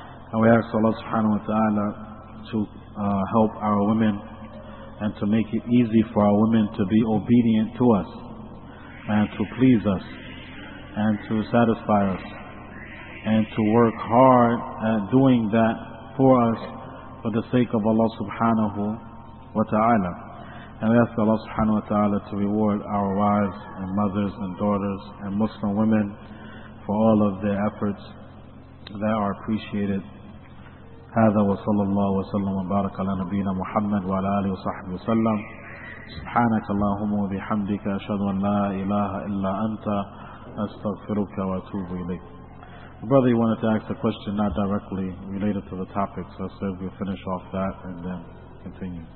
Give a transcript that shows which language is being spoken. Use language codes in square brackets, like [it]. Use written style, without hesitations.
[en] And we ask Allah subhanahu wa ta'ala to help our women and to make it easy for our women to be obedient to us and to please us and to satisfy us and to work hard at doing that for us for the sake of Allah subhanahu wa ta'ala. And we ask Allah subhanahu wa ta'ala to reward our wives and mothers and daughters and Muslim women for all of their efforts that are appreciated. [ar] هذا وصلى الله وسلم وبارك على نبينا محمد وعلى آله وصحبه وسلم. سبحانك اللهم وبحمدك أشهد أن لا إله إلا أنت أستغفرك وأتوب إليك. [en] Brother, you wanted to ask a question not directly related to the topic, so I said we'll finish off that and then continue.